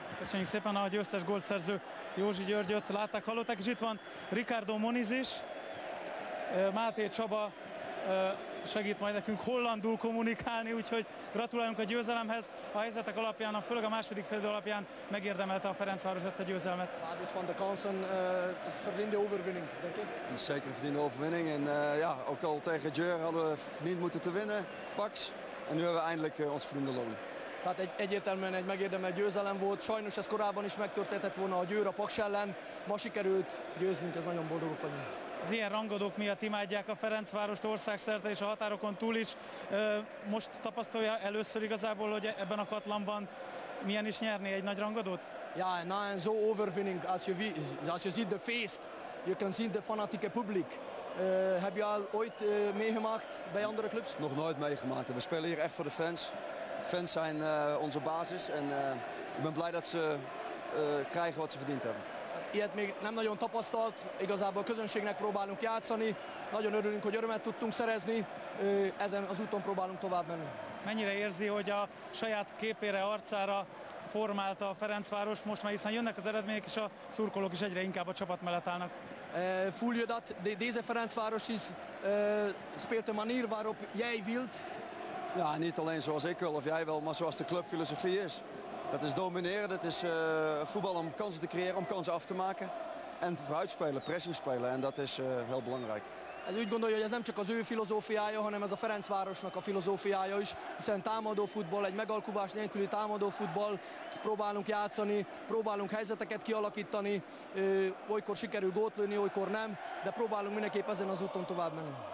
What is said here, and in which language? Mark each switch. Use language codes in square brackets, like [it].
[hu] Köszönjük szépen a győztes gólszerző Józsi Györgyöt, látták, hallották, és itt van Ricardo Moniz is, Máté Csaba segít majd nekünk hollandul kommunikálni, úgyhogy gratulálunk a győzelemhez. A helyzetek alapján, főleg a második félidő alapján megérdemelte a Ferencváros ezt a győzelmet. [nl] A basis van de kansen, ez verdiende overwinning, denk ik? Zeker verdiende overwinning. En ja, ook al tegen Jör hadden we verdiend moeten te winnen, Pax. En nu hebben we eindelijk ons verdiende loon. [hu] Tehát egyértelműen egy megérdemelt győzelem volt. Sajnos ez korábban is megtörténhetett volna a Győr a Paks ellen. Ma sikerült győznünk, ez nagyon boldogok vagyunk. Az ilyen rangadók miatt imádják a Ferencvárost országszerte és a határokon túl is. Most tapasztalja először igazából, hogy ebben a katlanban milyen is nyerni egy nagy rangadót? [nl] Ja, na, en zo overwinning, als je ziet de feest, je kan zien de fanatieke publiek. Heb je al ooit meegemaakt bij andere clubs? Nog nooit meegemaakt. We spelen hier echt voor de fans. Fans zijn onze basis en ik ben blij dat ze krijgen wat ze verdiend hebben. [hu] Ilyet még nem nagyon tapasztalt, igazából a közönségnek próbálunk játszani. Nagyon örülünk, hogy örömet tudtunk szerezni, ezen az úton próbálunk tovább menni. Mennyire érzi, hogy a saját képére, arcára formálta a Ferencváros most már, hiszen jönnek az eredmények, és a szurkolók is egyre inkább a csapat mellett állnak. [nl] Fúlja, dat deze Ferencváros is speelt een manier waarop jij wilt. Ja, niet alleen zoals ik wil of jij wil, maar zoals de clubfilosofie is. Dat is domineren, dat is voetbal om kansen te creëren, om kansen af te maken. En vooruitspelen, pressing spelen, en dat is heel belangrijk. [hu] Ez úgy gondolja, hogy ez nem csak az ő filozófiája, hanem ez a Ferencvárosnak a filozófiája is, hiszen támadó futball, egy megalkuvás nélküli támadó futball, próbálunk játszani, próbálunk helyzeteket kialakítani, olykor sikerül gólt lőni, olykor nem, de próbálunk mindenképp ezen az úton tovább menni.